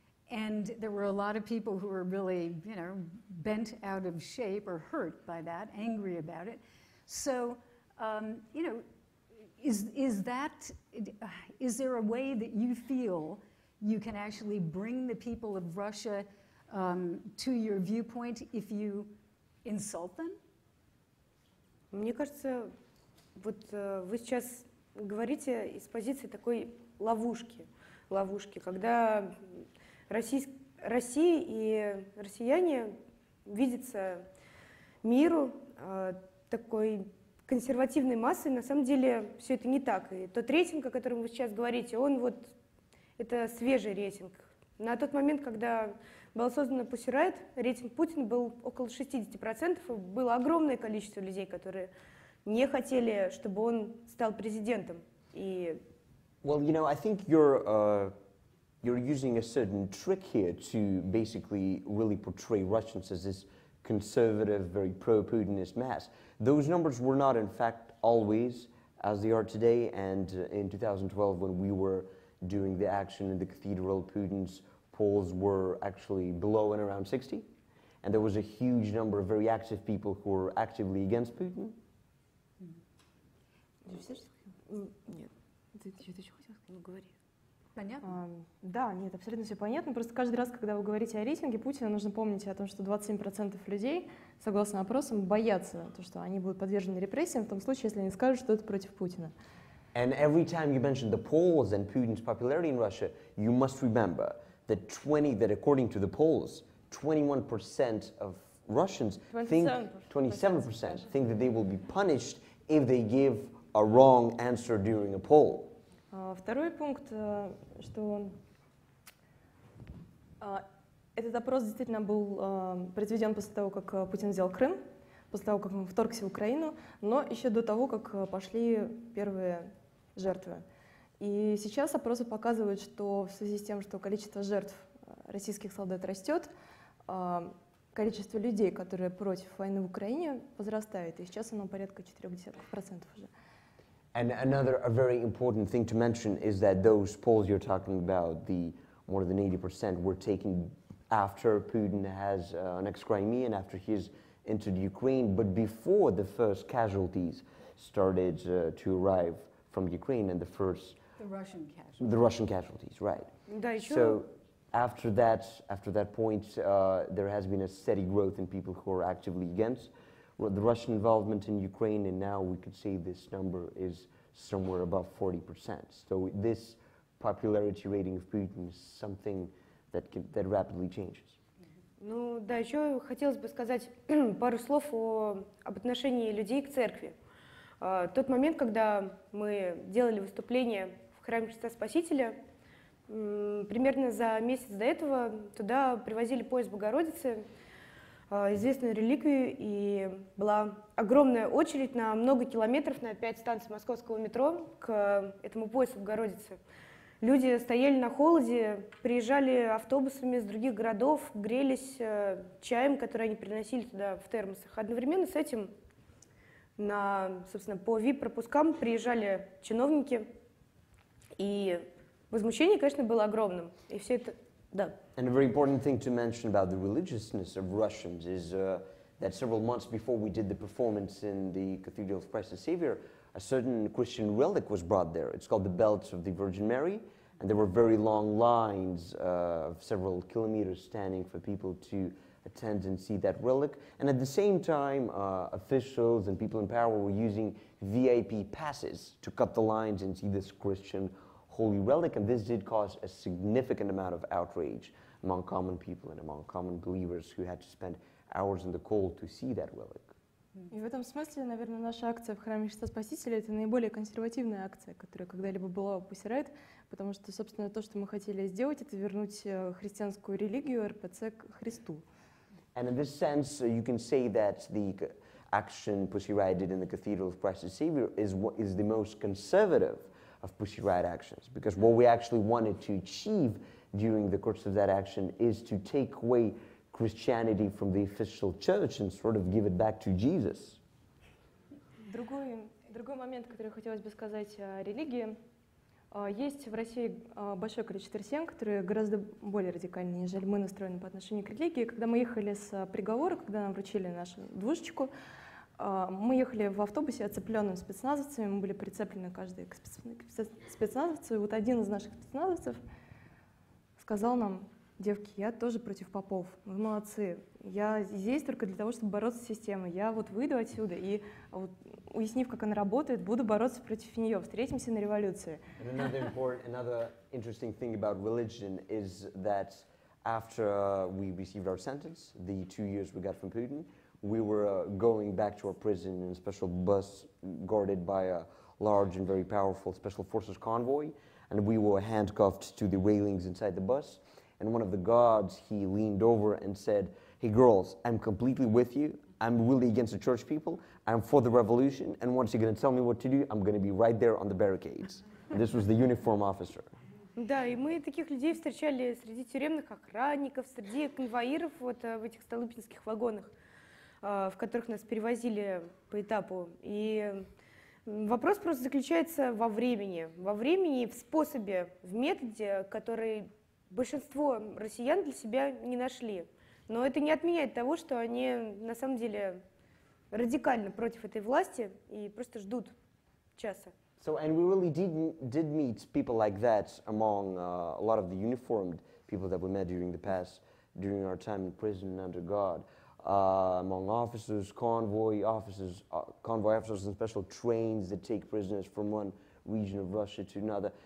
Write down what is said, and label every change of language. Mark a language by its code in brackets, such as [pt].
[en] And there were a lot of people who were really, you know, bent out of shape or hurt by that, angry about it. So, you know, is there a way that you feel you can actually bring the people of Russia to your viewpoint if you insult them? [ru] Мне кажется, вот вы сейчас говорите из позиции такой ловушки, когда Россия и россияне видятся миру такой консервативной массой. На самом деле все это не так. И тот рейтинг, о котором вы сейчас говорите, он вот, это свежий рейтинг. На тот момент, когда была создана Pussy Riot, рейтинг Путина был около 60%. Было огромное количество людей, которые не хотели, чтобы он стал президентом. И... [en] Well, you know, I think you're using a certain trick here to basically really portray Russians as this conservative, very pro-Putinist mass. Those numbers were not, in fact, always as they are today. And in 2012, when we were doing the action in the cathedral, Putin's polls were actually below and around 60. And there was a huge number of very active people who were actively against Putin. Mm-hmm. Did you say? [ru] Понятно? Да, нет, абсолютно все понятно. Просто каждый раз, когда вы говорите о рейтинге Путина, нужно помнить о том, что 27% людей, согласно опросам, боятся, то, что они будут подвержены репрессиям в том случае, если они скажут, что это против Путина. [en] And every time you mention the polls and Putin's popularity in Russia, you must remember that 20, that according to the polls, 21% of Russians think, 27% think that they will be punished if they give a wrong answer during a poll. [ru] Второй пункт, что этот опрос действительно был произведен после того, как Путин взял Крым, после того, как он вторгся в Украину, но еще до того, как пошли первые жертвы. И сейчас опросы показывают, что в связи с тем, что количество жертв российских солдат растет, количество людей, которые против войны в Украине, возрастает. И сейчас оно порядка 40% уже. [en] And another a very important thing to mention is that those polls you're talking about, the more than 80%, were taken after Putin has annexed Crimea and after he's entered Ukraine, but before the first casualties started to arrive from Ukraine and the first The Russian casualties. The Russian casualties, right. So after that point, there has been a steady growth in people who are actively against the Russian involvement in Ukraine, and now we could say this number is somewhere above 40%. So this popularity rating of Putin is something that can, that rapidly changes. [ru] Ну, да, еще хотелось бы сказать пару слов об отношении людей к церкви. Тот момент, когда мы делали выступление в храме Христа Спасителя, примерно за месяц до этого туда привозили поезд Богородицы, известную реликвию, и была огромная очередь на много километров, на 5 станций московского метро к этому поезду Богородицы. Люди стояли на холоде, приезжали автобусами из других городов, грелись чаем, который они приносили туда в термосах. Одновременно с этим на, собственно, по VIP-пропускам приезжали чиновники, и возмущение, конечно, было огромным. И все это, да. [en] And a very important thing to mention about the religiousness of Russians is that several months before we did the performance in the Cathedral of Christ the Savior, a certain Christian relic was brought there. It's called the Belt of the Virgin Mary, and there were very long lines of several kilometers standing for people to attend and see that relic. And at the same time, officials and people in power were using VIP passes to cut the lines and see this Christian holy relic, and this did cause a significant amount of outrage among common people and among common believers who had to spend hours in the cold to see that relic. [ru] И в этом смысле, наверное, наша акция в храме Христа Спасителя — это наиболее консервативная акция, которая когда-либо была у Pussy Riot, потому что, собственно, то, что мы хотели сделать, это вернуть христианскую религию РПЦ к Христу. [en] And in this sense, you can say that the action Pussy Riot did in the Cathedral of Christ the Savior is the most conservative of Pussy Riot actions, because what we actually wanted to achieve during the course of that action is to take away Christianity from the official church and sort of give it back to Jesus. [ru] Другой момент, который хотелось бы сказать о религии. Есть в России большое количество россиян, которые гораздо более радикальны, нежели мы настроены по отношению к религии. Когда мы ехали с приговора, когда нам вручили нашу двушечку, мы ехали в автобусе, оцепленным спецназовцами, мы были прицеплены каждый к спецназовцу, и вот один из наших спецназовцев сказал нам: девки, я тоже против попов, вы молодцы. Я здесь только для того, чтобы бороться с системой. Я вот выйду отсюда и, вот, уяснив, как она работает, буду бороться против нее. Встретимся на революции. [en] And another important, another interesting thing about religion is that after we received our sentence, the 2 years we got from Putin, we were going back to our prison in a special bus guarded by a large and very powerful special forces convoy, and we were handcuffed to the railings inside the bus. And one of the guards, he leaned over and said, "Hey girls, I'm completely with you. I'm really against the church people. I'm for the revolution. And once you're going to tell me what to do, I'm going to be right there on the barricades." And this was the uniform officer. [ru] Да, и мы таких людей встречали среди тюремных охранников, среди конвоиров вот в этих столыпинских вагонах, в которых нас перевозили по этапу. И вопрос просто заключается во времени. Во времени, в способе, в методе, который большинство россиян для себя не нашли. Но это не отменяет того, что они на самом деле радикально против этой власти и просто ждут часа. [en] So, and we really did meet people like that among a lot of the uniformed people that we met during our time in prison under guard. Among officers, convoy officers and special trains that take prisoners from one region of Russia to another.